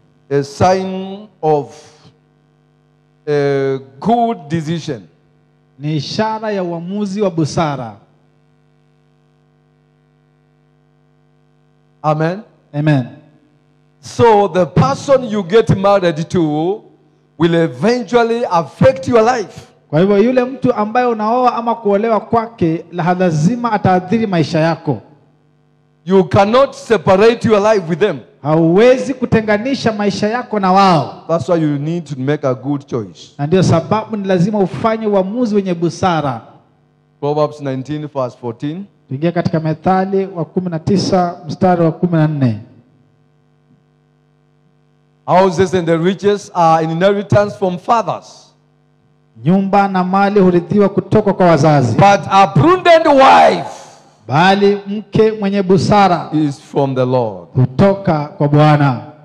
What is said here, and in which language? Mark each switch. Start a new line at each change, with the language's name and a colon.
English: A sign of a good decision.
Swahili: Ni ishara ya uamuzi wa busara. Amen. Amen.
English: So the person you get married to will eventually affect your life.
Swahili: Kwa hivyo yule mtu ambaye unaoa ama kuolewa kwake lazima ataathiri maisha yako.
English: You cannot separate your life with them.
Swahili: Hauwezi kutenganisha maisha yako na wao.
English: That's why you need to make a good choice.
Swahili: Na ndio sababu ni lazima ufanye uamuzi wenye busara.
English: Proverbs 19 verse 14.
Swahili: Ingia katika Methali wa 19 mstari wa 14.
English: Houses and the riches are inheritance from fathers.
Swahili: Nyumba na mali hurithiwa kutoka kwa wazazi.
English: But a prudent wife.
Swahili: Bali mke mwenye busara.
English: Is from the Lord.
Swahili: Kutoka kwa Bwana.